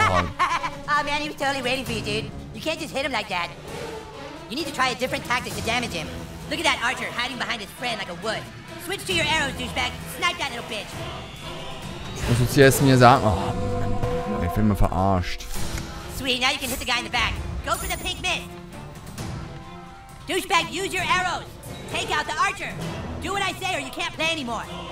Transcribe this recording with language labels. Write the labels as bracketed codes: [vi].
[en] Oh man, he was totally waiting for you, dude. You can't just hit him like that. You need to try a different tactic to damage him. Look at that archer hiding behind his friend like a wood. Switch to your arrows, douchebag. Snipe that little bitch. [de] Muss ich jetzt mir sagen? Oh man, ich bin mal verarscht. [en] Sweet, now you can hit the guy in the back. Go for the pink mist. Douchebag, use your arrows. Take out the archer. Do what I say or you can't play anymore.